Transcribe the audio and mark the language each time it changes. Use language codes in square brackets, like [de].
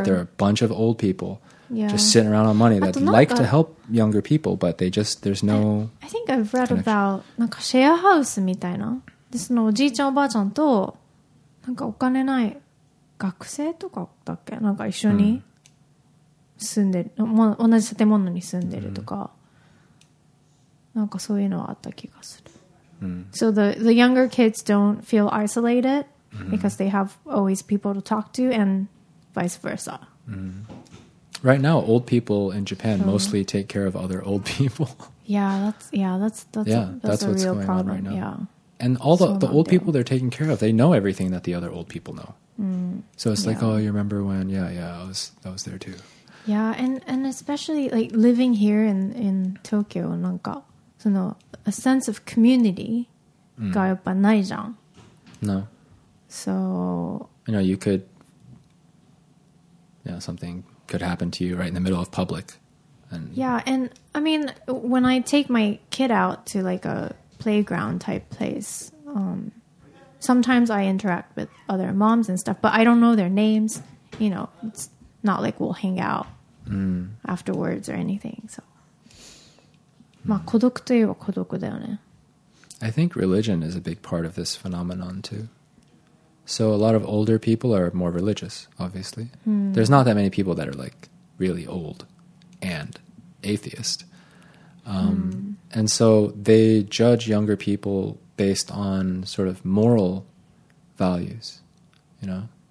[en] that there are a bunch of old people... Yeah. Just sitting around on money that like to help younger people, but they just, there's no... I think I've read about, [ja] なんかシェアハウスみたいな。で、そのおじいちゃんおばあちゃんと、なんかお金ない学生とかだっけ? なんか一緒に住んでる、mm. 同じ建物に住んでるとか。 Mm. なんかそういうのはあった気がする。 Mm. [en] So the younger kids don't feel isolated mm-hmm. because they have always people to talk to and vice versa. Mm-hmm. Right now, old people in Japan mostly take care of other old people. Yeah, that's what's going on right now. Yeah. And all the old people they're taking care of, they know everything that the other old people know. Mm. So it's like, oh, you remember when? Yeah, I was there too. Yeah, and especially like living here in Tokyo, [ja] なんかその [en] a sense of community [ja] がやっぱないじゃん。 [en] No. So. You know, you could. Yeah, something. Could happen to you right in the middle of public. And I mean, when I take my kid out to like a playground type place, sometimes I interact with other moms and stuff, but I don't know their names. You know, it's not like we'll hang out afterwards or anything. [ja] So, まあ孤独といえば孤独だよね。 [en] I think religion is a big part of this phenomenon too. So a lot of older people are more religious, obviously. Hmm. There's not that many people that are like really old and atheist. And so they judge younger people based on sort of moral values, you know?